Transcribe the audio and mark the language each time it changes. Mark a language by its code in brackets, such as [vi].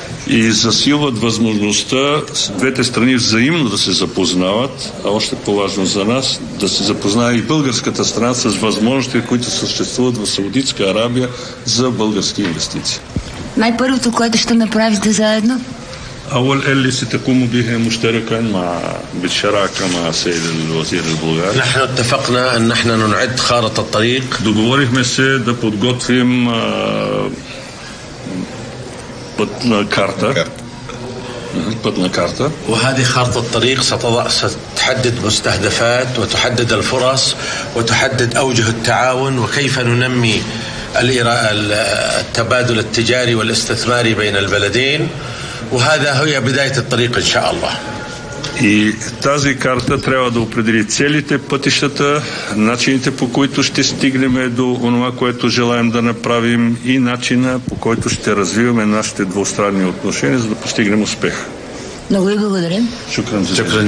[bg] И засилват възможността двете страни взаимно да се запознават, а още по-важно за нас да се запознае и българската страна с възможностите, които съществуват в Саудитска Арабия за български инвестиции. Най-първото, което ще направите заедно? [ar] أول اللي ستكون به مشتركا مع بالشراكة مع سيد الوزير البلغاري. نحن اتفقنا أن نحن نعد خارطة الطريق. [bg] Договорихме се да подготвим пътна карта. Пътна карта. [ar] وهذه خارطة الطريق ستحدد مستهدفات وتحدد الفرص وتحدد أوجه التعاون وكيف ننمي التبادل التجاري والاستثماري بين البلدين. وهذا هي بداية الطريق إن شاء الله. [bg] И тази карта трябва да определи целите, пътищата, начините по които ще стигнем до онова, което желаем да направим и начина по който ще развиваме нашите двустранни отношения, за да постигнем успех. Много ви благодарим. [ar] Шукран